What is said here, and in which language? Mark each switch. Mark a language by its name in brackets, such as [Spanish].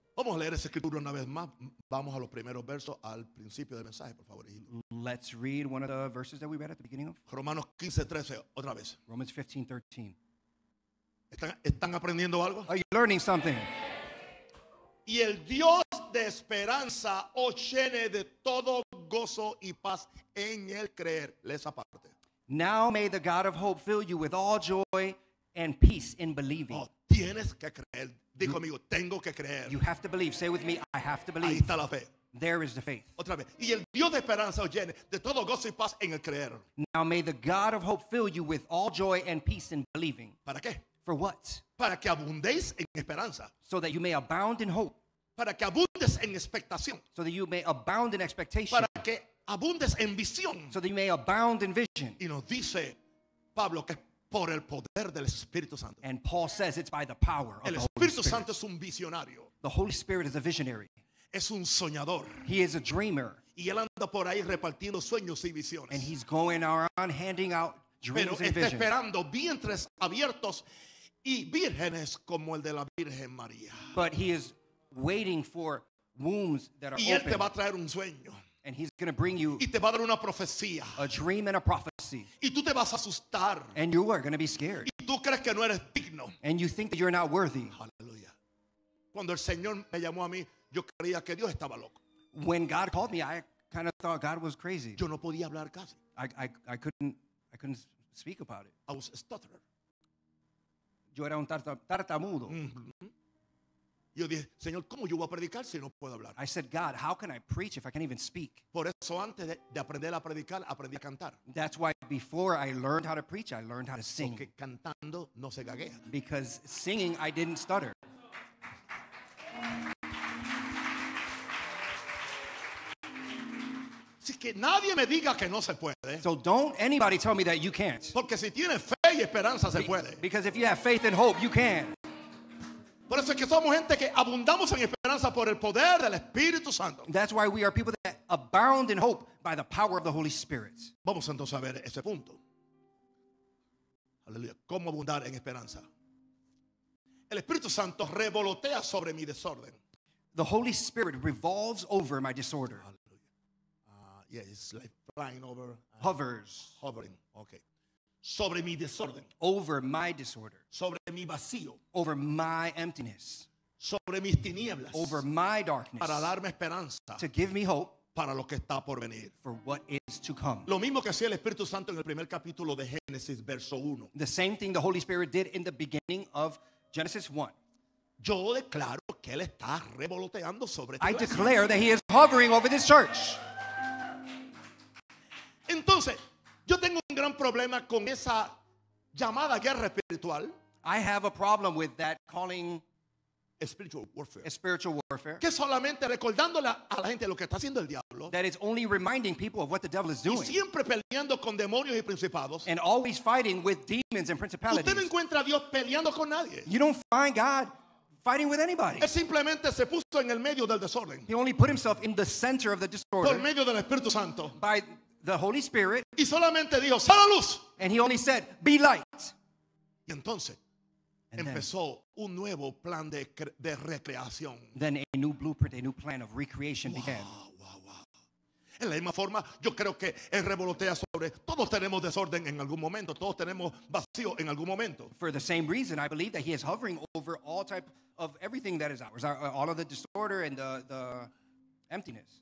[Spanish] Vamos a leer esa escritura una vez más. Vamos a los primeros versos al principio del mensaje, por favor. [English] Let's read one of the verses that we read at the beginning of. [Spanish] Romanos 15, 13, otra vez. [English] Romans 15, 13. [Spanish] ¿Están aprendiendo algo? [English] Are you learning something? [Spanish] Y el Dios de esperanza os llene de todo gozo y paz en el creer. Lee esa parte. [English] Now may the God of hope fill you with all joy and peace in believing. [Spanish] Oh, tienes que creer. Digo conmigo, tengo que creer. [English] You have to believe. Say with me, I have to believe. [Spanish] Ahí está la fe. [English] There is the faith. [Spanish] Otra vez. Y el Dios de esperanza os llene de todo gozo y paz en el creer. [English] Now may the God of hope fill you with all joy and peace in believing. [Spanish] ¿Para qué? [English] For what? [Spanish] Para que abundéis en esperanza. [English] So that you may abound in hope. [Spanish] Para que abundes en expectación. [English] So that you may abound in expectation. [Spanish] Para que abundes en visión. [English] So that you may abound in vision. [Spanish] Y nos dice Pablo que por el poder del Espíritu Santo. [English] And Paul says it's by the power of [Spanish] el [English] the Holy Spirit. [Spanish] El Espíritu Santo es un visionario. [English] The Holy Spirit is a visionary. [Spanish] Es un soñador. [English] He is a dreamer. [Spanish] Y él anda por ahí repartiendo sueños y visiones. [English] And he's going around handing out dreams and visions. [Spanish] Pero está esperando vientres abiertos y vírgenes como el de la Virgen María. [English] But he is waiting for wombs that are open. [Spanish] Y él te va a traer un sueño. [English] And he's going to bring you [Spanish] y te va a dar una profecía. [English] A dream and a prophecy. [Spanish] Y tú te vas a asustar. [English] And you are going to be scared. [Spanish] Y tú crees que no eres digno. [English] And you think that you're not worthy. [Spanish] Aleluya. Cuando el Señor me llamó a mí, yo creía que Dios estaba loco. [English] When God called me, I kind of thought God was crazy. [Spanish] Yo no podía hablar casi. [English] I couldn't speak about it. I was a stutterer. [Spanish] Yo era un tartamudo. Yo dije, Señor, ¿cómo yo voy a predicar si no puedo hablar? [English] I said, God, how can I preach if I can't even speak? [Spanish] Por eso antes de aprender a predicar, aprendí a cantar. [English] That's why before I learned how to preach, I learned how to sing. [Spanish] Porque cantando no se gaguea. [English] Because singing, I didn't stutter. [Spanish] Que nadie me diga que no se puede. [English] So don't anybody tell me that you can't. [Spanish] Porque si tiene fe y esperanza se puede. [English] Because if you have faith and hope, you can. [Spanish] Por eso es que somos gente que abundamos en esperanza por el poder del Espíritu Santo. [English] That's why we are people that abound in hope by the power of the Holy Spirit. [Spanish] Vamos entonces a ver ese punto. Aleluya. ¿Cómo abundar en esperanza? El Espíritu Santo revolotea sobre mi desorden. [English] The Holy Spirit revolves over my disorder. Yeah, it's like flying over. Hovers. Hovering, okay. [Spanish] Sobre mi desorden. [English] Over my disorder. [Spanish] Sobre mi vacío. [English] Over my emptiness. [Spanish] Sobre mis tinieblas. [English] Over my darkness. [Spanish] Para darme esperanza. [English] To give me hope. [Spanish] Para lo que está por venir. [English] For what is to come. [Spanish] Lo mismo que hacía el Espíritu Santo en el primer capítulo de Génesis, verso 1. [English] The same thing the Holy Spirit did in the beginning of Genesis 1. [Spanish] Yo declaro que Él está revoloteando sobre [English] ti. I declare that He is hovering over this church. [Spanish] Entonces, yo tengo un gran problema con esa llamada guerra espiritual. [English] I have a problem with that calling spiritual warfare. A spiritual warfare. [Spanish] Que solamente recordándole a la gente lo que está haciendo el diablo. [English] That is only reminding people of what the devil is doing. [Spanish] Y siempre peleando con demonios y principados. [English] And always fighting with demons and principalities. [Spanish] Usted no encuentra a Dios peleando con nadie. [English] You don't find God fighting with anybody. [Spanish] Él simplemente se puso en el medio del desorden. [English] He only put himself in the center of the disorder. [Spanish] Por medio del Espíritu Santo. [English] By the Holy Spirit. [Spanish] Y solamente dijo, "Sal a luz." [English] And he only said, "Be light." [Spanish] Y entonces, and empezó then, un nuevo plan de recreación. [English] Then a new blueprint, a new plan of recreation wow, began. Wow, wow. [Spanish] En la misma forma, yo creo que él revolotea sobre todos tenemos desorden en algún momento, todos tenemos vacío en algún momento. [English] For the same reason, I believe that he is hovering over all type of everything that is ours, all of the disorder and the emptiness.